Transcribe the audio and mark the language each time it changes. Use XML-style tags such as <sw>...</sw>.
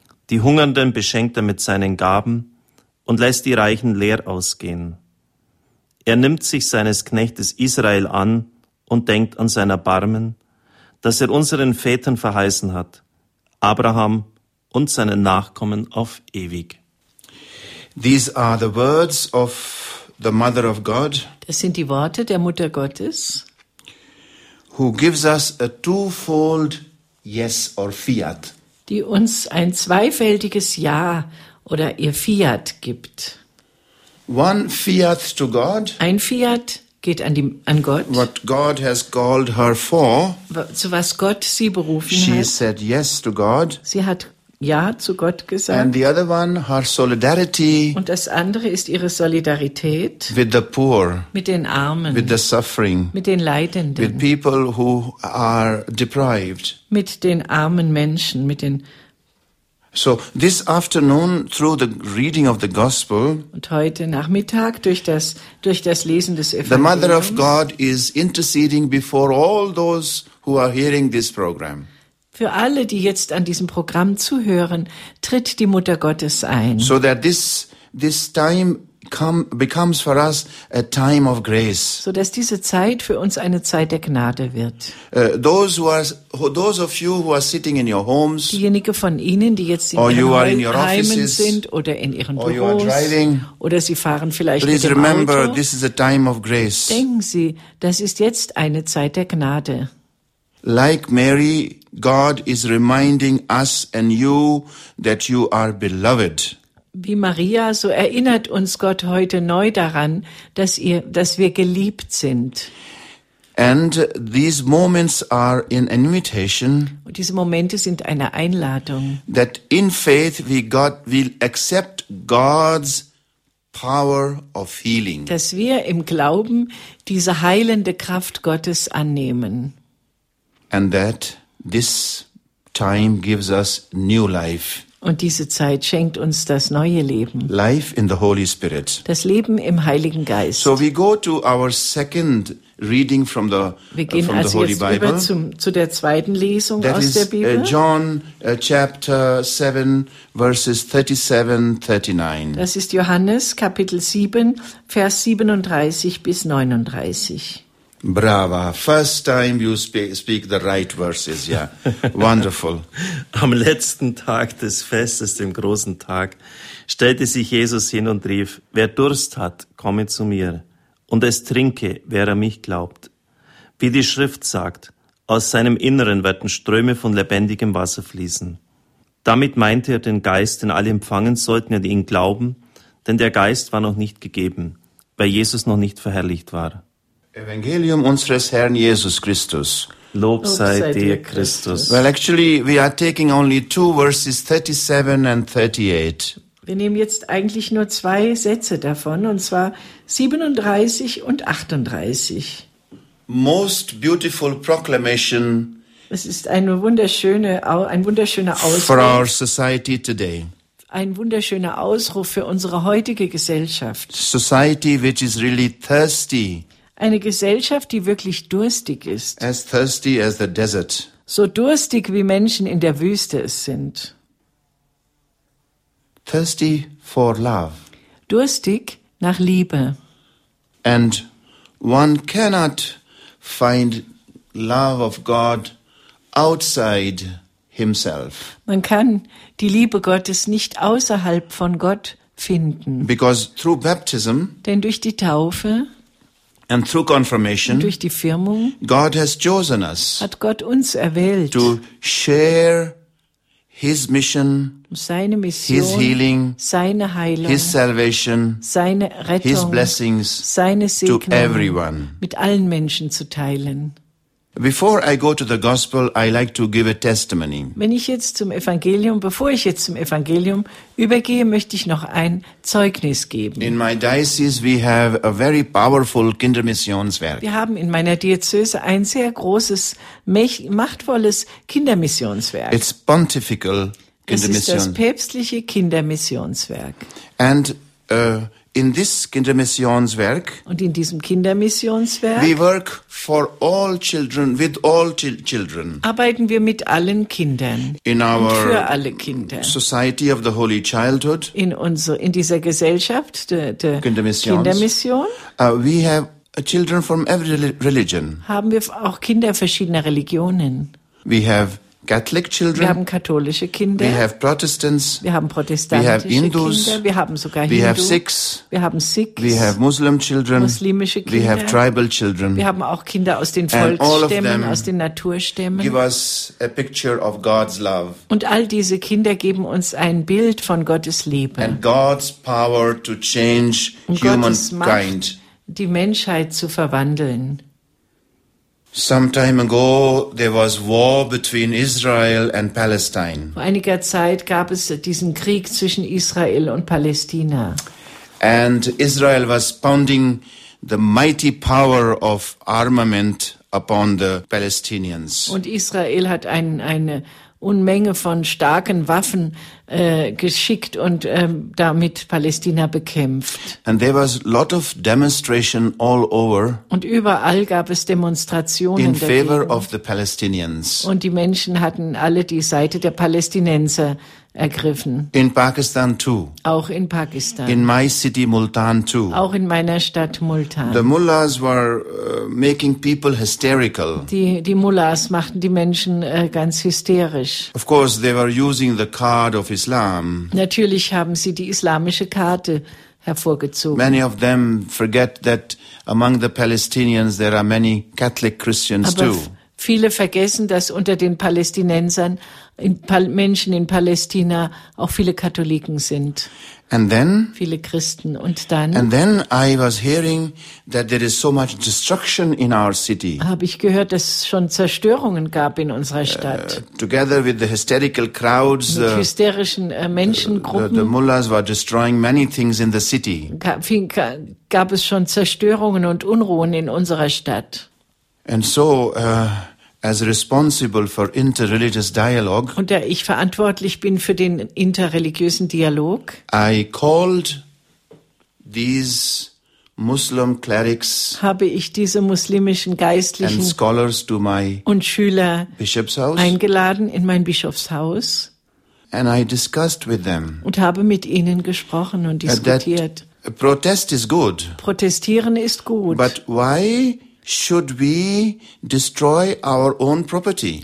<de>Die Hungernden beschenkt er mit seinen Gaben und lässt die Reichen leer ausgehen. Er nimmt sich seines Knechtes Israel an und denkt an sein Erbarmen, das er unseren Vätern verheißen hat, Abraham und seinen Nachkommen auf ewig.</de> <en>These are the words of the Mother of God.</en> <de>Das sind die Worte der Mutter Gottes.</de> <en>Who gives us a twofold yes or fiat?</en> <de>Die uns ein zweifältiges Ja oder ihr Fiat gibt.</de> <en>One fiat to God.</en> <de>Ein Fiat geht an die, an Gott.</de> <en>What God has called her for.</en> <de>Zu was Gott sie berufen</de> <en>she</en> <de>hat.</de> <en>She said yes to God.</en> <de>Sie hat Ja zu Gott gesagt.</de> <en>And the other one, her solidarity.</en> <de>Und das andere ist ihre Solidarität.</de> <en>With the poor.</en> <de>Mit den Armen.</de> <en>With the suffering.</en> <de>Mit den Leidenden.</de> <en>With people who are deprived.</en> <de>Mit den armen Menschen, mit den.</de> <en>So this afternoon through the reading of the gospel.</en> <de>Und heute Nachmittag durch das Lesen des Evangeliums.</de> <en>The Mother of God is interceding before all those who are hearing this program.</en> <de>Für alle, die jetzt an diesem Programm zuhören, tritt die Mutter Gottes ein.</de> <en>So that this time becomes for us a time of grace.</en> <de>So dass diese Zeit für uns eine Zeit der Gnade wird.</de> <en>Those of you who are sitting in your homes.</en> <de>Diejenigen von Ihnen, die jetzt in ihren Heimen sind oder in ihren Büros.</de> <en>Or you are driving.</en> <de>Oder Sie fahren vielleicht mit dem Auto.</de> <en>This is a time of grace.</en> <de>Denken Sie, das ist jetzt eine Zeit der Gnade.</de> <en>Like Mary, God is reminding us and you that you are beloved.</en> <de>Wie Maria, so erinnert uns Gott heute neu daran, dass wir geliebt sind.</de> <en>And these moments are an invitation.</en> <de>Und diese Momente sind eine Einladung.</de> <en>That in faith we will accept God's power of healing.</en> <de>Dass wir im Glauben diese heilende Kraft Gottes annehmen.</de> <en>And that this time gives us new life.</en> <de>Und diese Zeit schenkt uns das neue Leben.</de> <en>Life in the Holy Spirit.</en> <de>Das Leben im Heiligen Geist.</de> <en>So we go to our second reading from the Holy Bible.</en> <de>Wir gehen also jetzt über zu der zweiten Lesung</de> <en>that</en> <de>aus</de> <en>is,</en> <de>der Bibel.</de> <en>John chapter 7 verses 37-39.</en> <de>Das ist Johannes Kapitel 7 Vers 37 bis 39.</de> <en>Brava, first time you speak the right verses, yeah, wonderful.</en> <de>Am letzten Tag des Festes, dem großen Tag, stellte sich Jesus hin und rief, wer Durst hat, komme zu mir, und es trinke, wer an mich glaubt. Wie die Schrift sagt, aus seinem Inneren werden Ströme von lebendigem Wasser fließen. Damit meinte er den Geist, den alle empfangen sollten und ihn glauben, denn der Geist war noch nicht gegeben, weil Jesus noch nicht verherrlicht war. Evangelium unseres Herrn Jesus Christus. Lob sei dir, Christus.</de> <en>Well, actually, we are taking only two verses, 37 and 38.</en> <de>Wir nehmen jetzt eigentlich nur zwei Sätze davon, und zwar 37 und 38.</de> <en>Most beautiful proclamation.</en> <de>Es ist ein wunderschöner Ausruf.</de> <en>For our society today.</en> <de>Ein wunderschöner Ausruf für unsere heutige Gesellschaft.</de> <en>Society which is really thirsty.</en> <de>Eine Gesellschaft, die wirklich durstig ist.</de> <en>As thirsty as the desert.</en> <de>So durstig, wie Menschen in der Wüste es sind.</de> <en>Thirsty for love.</en> <de>Durstig nach Liebe.</de> <en>And one cannot find love of God outside himself.</en> <de>Man kann die Liebe Gottes nicht außerhalb von Gott finden.</de> <en>Because through baptism.</en> <de>Denn durch die Taufe.</de> <en>And through confirmation,</en> <de>und durch die Firmung,</de> <en>God has chosen us,</en> <de>hat Gott uns erwählt,</de> <en>to share his mission,</en> <de>seine Mission,</de> <en>his healing,</en> <de>seine Heilung,</de> <en>his salvation,</en> <de>seine Rettung,</de> <en>his blessings,</en> <de>seine Segnungen,</de> <en>to everyone,</en> <de>mit allen Menschen zu teilen.</de> <en>Before I go to the gospel, I like to give a testimony.</en> <de>Bevor ich jetzt zum Evangelium übergehe, möchte ich noch ein Zeugnis geben.</de> <en>In my diocese we have a very powerful Kindermissionswerk.</en> <de>Wir haben in meiner Diözese ein sehr großes, machtvolles Kindermissionswerk.</de> <en>It's pontifical Kindermission.</en> <de>Das ist das päpstliche Kindermissionswerk.</de> <en>And in this Kindermissionswerk,</en> <de>und in diesem Kindermissionswerk,</de> <en>we work for all children, with all children.</en> <de>Arbeiten wir mit allen Kindern</de> <en>in our</en> <de>und für alle Kinder.</de> <en>Society of the Holy Childhood,</en> <de>in unser, in dieser Gesellschaft der Kindermission.</de> <en>We have children from every religion.</en> <de>Haben wir auch Kinder verschiedener Religionen.</de> <en>We have Catholic children.</en> <de>Wir haben katholische Kinder.</de> <en>We have Protestants.</en> <de>Wir haben protestantische Kinder.</de> <en>We have Hindus.</en> <de>Wir haben sogar Hindus.</de> <en>We have Sikhs.</en> <de>Wir haben Sikhs.</de> <en>We have Muslim children.</en> <de>Muslimische Kinder.</de> <en>We have tribal children.</en> <de>Wir haben auch Kinder aus den Volksstämmen, aus den Naturstämmen.</de> <en>Give us a picture of God's love.</en> <de>Und all diese Kinder geben uns ein Bild von Gottes Liebe.</de> <en>And God's power to change humankind.</en> <de>Die Menschheit zu verwandeln.</de> <en>Some time ago there was war between Israel and Palestine.</en> <de>Vor einiger Zeit gab es diesen Krieg zwischen Israel und Palästina.</de> <en>And Israel was pounding the mighty power of armament upon the Palestinians.</en> <de>Und Israel hat eine Unmenge von starken Waffen geschickt und damit Palästina bekämpft.</de> <en>And there was lot of demonstration all over.</en> <de>Und überall gab es Demonstrationen</de> <en>in favor of the Palestinians.</en> <de>Und die Menschen hatten alle die Seite der Palästinenser ergriffen.</de> <en>In Pakistan too.</en> <de>Auch in Pakistan.</de> <en>In my city Multan too.</en> <de>Auch in meiner Stadt Multan.</de> <en>The mullahs were making people hysterical.</en> <de>Die Mullahs machten die Menschen ganz hysterisch.</de> <en>Of course they were using the card of Islam.</en> <de>Natürlich haben sie die islamische Karte hervorgezogen.</de> <en>Many of them forget that among the Palestinians there are many Catholic Christians too.</en> <de>Viele vergessen, dass unter den Palästinensern Menschen in Palästina auch viele Katholiken sind.</de> <en>And then,</en> <de>viele Christen. Und dann.</de> <en>And then I was hearing that there is so much destruction in our city.</en> <de>Habe ich gehört, dass es schon Zerstörungen gab in unserer Stadt.</de> <en>Together with the hysterical crowds.</en> <de>Mit hysterischen Menschengruppen.</de> <en>The mullahs were destroying many things in the city.</en> <de>Gab es schon Zerstörungen und Unruhen in unserer Stadt.</de> <en>And so, as responsible for interreligious dialogue,</en> <de>und da ich verantwortlich bin für den interreligiösen Dialog,</de> <en>I called these Muslim clerics,</en> <de>habe ich diese muslimischen Geistlichen</de> <en>and scholars to my</en> <de>und Schüler</de> <en>Bishop's House,</en> <de>eingeladen in mein Bischofshaus,</de> <en>and I discussed with them,</en> <de>und habe mit ihnen gesprochen und diskutiert.</de> <en>Protest is good.</en> <de>Protestieren ist gut.</de> <en>But why should we destroy our own property?</en>